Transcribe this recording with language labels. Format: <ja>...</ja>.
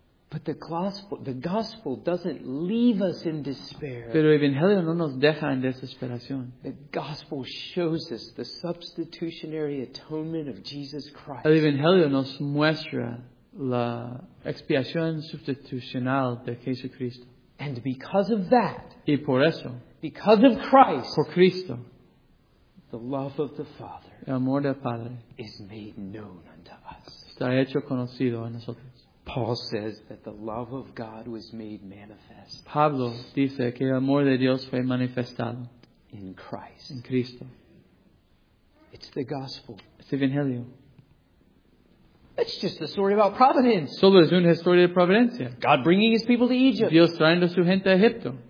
<en>But the gospel doesn't leave us in despair.</en> <es>Pero el evangelio no nos deja en desesperación.</es> <en>The gospel shows us the substitutionary atonement of Jesus Christ.</en> <es>El evangelio nos muestra la expiación sustitucional de Jesucristo.</es> <en>And because of that.</en> <es>Y por eso.</es> <en>Because of Christ.</en> <es>Por Cristo.</es> <en>The love of the Father,</en> <es>el amor del Padre,</es> <en>is made known unto us.</en> <es>Está hecho conocido a nosotros.</es> <en>Paul says that the love of God was made manifest.</en> <es>Pablo dice que el amor de Dios fue manifestado.</es> <en>In Christ.</en> <es>En Cristo.</es> <en>It's the gospel.</en> <es>Es el evangelio.</es> <en>It's just the story about providence.</en> <es>Solo es una historia de providencia.</es> <en>God bringing His people to Egypt.</en> <es>Dios trayendo su gente a Egipto.</es>